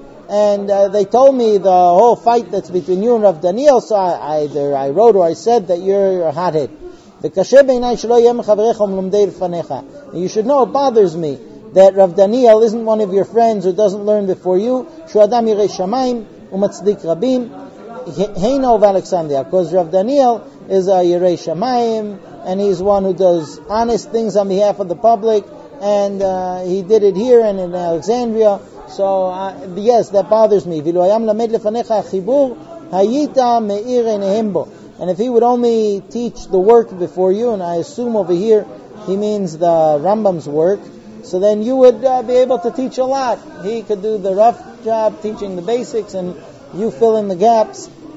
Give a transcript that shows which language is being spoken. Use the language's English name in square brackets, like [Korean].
[English] And they told me the whole fight that's between you and Rav Daniel, so either I wrote or I said that you're a hothead. [Hebrew] וקשה בעיניי שלא יהיה מחבריך ומלומדי לפניך. [English] You should know it bothers me that Rav Daniel isn't one of your friends who doesn't learn before you, [Hebrew] שהוא אדם ירא שמיים ומצדיק רבים. הינו ואלכסנדריה, [English] because Rav Daniel is a ירא שמיים, and he's one who does honest things on behalf of the public, and he did it here and in Alexandria. So yes, that bothers me. [Hebrew] ואילו היה מלמד לפניך החיבור, היית מאיר עיניהם בו. [English] And if he would only teach the work before you, and I assume over here he means the Rambam's work, so then you would be able to teach a lot. He could do the rough job teaching the basics, and you fill in the gaps.